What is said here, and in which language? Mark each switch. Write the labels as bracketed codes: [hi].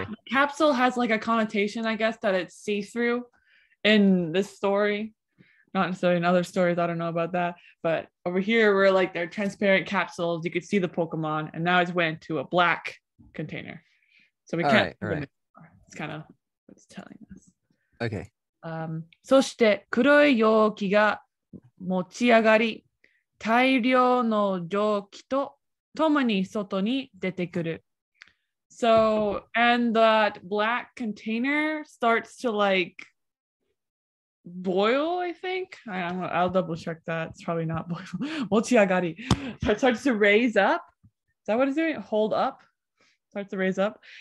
[en] capsule has like a connotation, I guess, that it's see-through in this story. Not necessarily in other stories, I don't know about that. But over here, we're like, they're transparent capsules. You could see the Pokemon. And now it's went to a black container. So we can't. It's kind of what it's telling us. Okay. [ja] そして黒い容器が持ち上がり、大量の蒸気と共に外に出てくる。 [en] So, and that black container starts to like boil, I think. I'll double check that. It's probably not boil. Mochiagari. It starts to raise up. Is that what it's doing? Hold up. Starts to raise up.